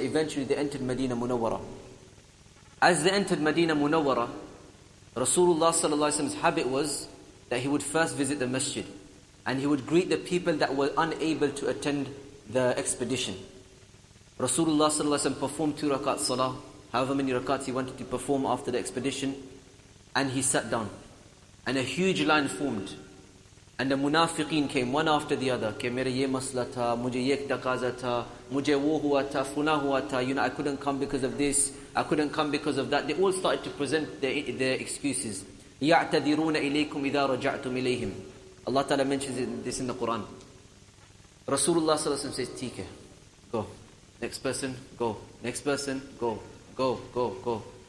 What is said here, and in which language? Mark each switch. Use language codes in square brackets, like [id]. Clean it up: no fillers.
[en] Eventually, they entered Medina Munawwara. As they entered Medina Munawwara, Rasulullah sallallahu alaihi wasallam's habit was that he would first visit the masjid and he would greet the people that were unable to attend the expedition. Rasulullah sallallahu alaihi wasallam performed 2 rakat salah, however many rakats he wanted to perform after the expedition, and he sat down. And a huge line formed. And the munafiqeen came one after the other. [ur] کے میرے یہ مسئلہ تھا، مجھے یہ تقاضا تھا، مجھے وہ ہوا تھا، فنا ہوا تھا۔ [en] You know, I couldn't come because of this, I couldn't come because of that. They all started to present their excuses. [ar] يَعْتَذِرُونَ إِلَيْكُمْ إِذَا رَجَعْتُمْ إِلَيْهِمْ. [en] Allah Ta'ala mentions this in the Quran. Rasulullah Sallallahu Alaihi Wasallam says, "Tika, go. Next person, go. Next person, go. Go, go, go."